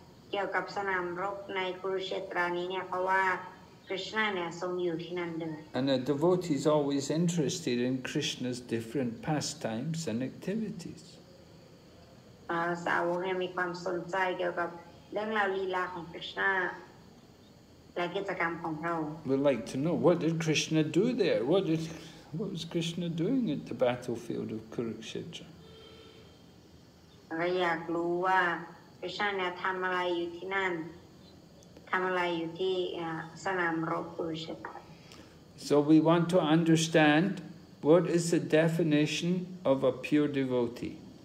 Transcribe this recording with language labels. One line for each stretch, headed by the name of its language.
Thai: เกี่ยวกับสนามรบในกุรุเชตรานี้เนี่ยเพราะว่าคริสนาเนี่ยทรงอยู่ที่นั่นเดิม
English: And a devotee is always interested in Krishna's different pastimes and activities.
Thai: สาวกเนี่ยมีความสนใจเกี่ยวกับเรื่องราวลีลาของคริสนาและกิจกรรมของเรา
English: We'd like to know what did Krishna do there? What was Krishna doing at the battlefield of Kurukshetra?
Thai: เราอยากรู้ว่าKrishna เนี่ยทำอะไรอยู่ที่นั่นทำอะไรอยู่ที่สนามรบกุรุเชตระ
English: So we want to understand what is the definition of a pure devotee.